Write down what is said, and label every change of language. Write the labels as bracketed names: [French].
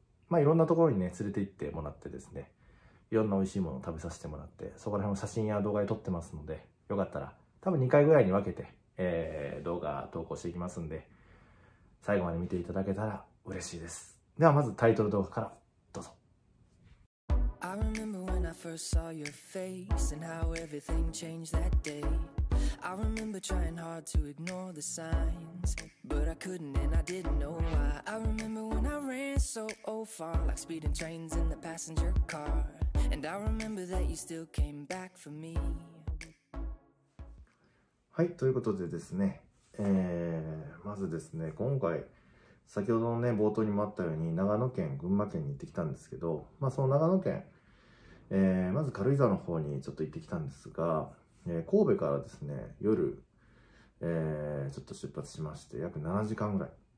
[Japanese] まあいろんなところにね連れて行ってもらってですね、いろんな美味しいものを食べさせてもらって、そこら辺を写真や動画で撮ってますので、よかったら多分2回ぐらいに分けて動画投稿していきますんで、最後まで見ていただけたら嬉しいです。ではまずタイトル動画からどうぞ。 [English] I remember when I first saw your face and how everything changed that day. I remember trying hard to ignore the signs, but I couldn't and I didn't know why. I remember when I ran so far, like speeding trains in the passenger car. And I remember that you still came back for me. [Japanese] はい、ということでですね、まずですね、今回先ほどのね冒頭にもあったように、長野県、群馬県に行ってきたんですけど、まあその長野県、まず軽井沢の方にちょっと行ってきたんですが、神戸からですね夜、ちょっと出発しまして、約7時間ぐらい、